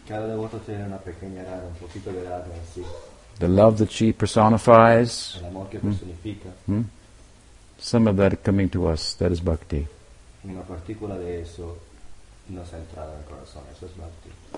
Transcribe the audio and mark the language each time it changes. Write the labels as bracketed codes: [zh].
[es] Cada devoto tiene una pequeña Radha, un poquito de Radha, sí. [en] The love that she personifies, [es] el amor que personifica, [en] some of that coming to us, that is bhakti. [es] Una partícula de eso nos entra al corazón, eso es bhakti.